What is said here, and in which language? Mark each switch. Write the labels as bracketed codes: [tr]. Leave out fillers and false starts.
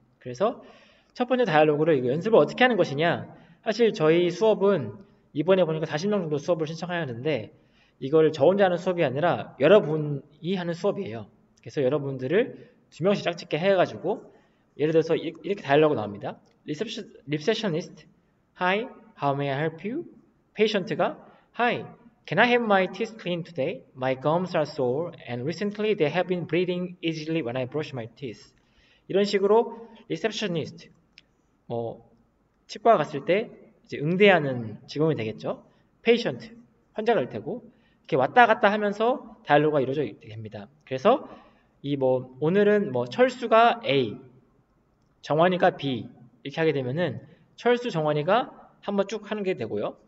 [ko] 그래서 첫 번째 다이아로그로 이거 연습을 어떻게 하는 것이냐. 사실 저희 수업은 이번에 보니까 40명 정도 수업을 신청하였는데, 이걸 저 혼자 하는 수업이 아니라 여러분이 하는 수업이에요. 그래서 여러분들을 두 명씩 짝짓게 해가지고 예를 들어서 이렇게 다이얼로그 나옵니다. [en] Receptionist, Hi, how may I help you? [ko] 페이션트가 [en] Hi, can I have my teeth cleaned today? My gums are sore and recently they have been bleeding easily when I brush my teeth. [ko] 이런 식으로 Receptionist, 뭐 치과 갔을 때 이제 응대하는 직원이 되겠죠. Patient, 환자가 될 테고 이렇게 왔다 갔다 하면서 다이얼로그가 이루어져 됩니다. 그래서 이 뭐, 오늘은 뭐, 철수가 A, 정환이가 B, 이렇게 하게 되면은, 철수, 정환이가 한번 쭉 하는 게 되고요.